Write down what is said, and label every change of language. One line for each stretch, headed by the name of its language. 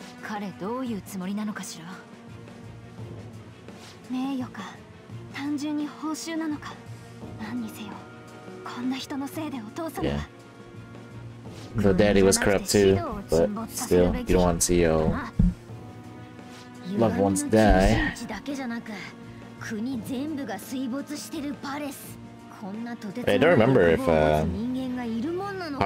Japanese: 彼どういうつもりなのかしら。名誉か単純に報酬なのか、何にせよこんな人のせいでお父さんは。
English: The daddy was corrupt too, but still, you don't want to see your loved ones die.
Japanese: 国の中心地だけじゃなく、国全部が水没してるパレス。こんなとてつもない人間がいるもんなのか。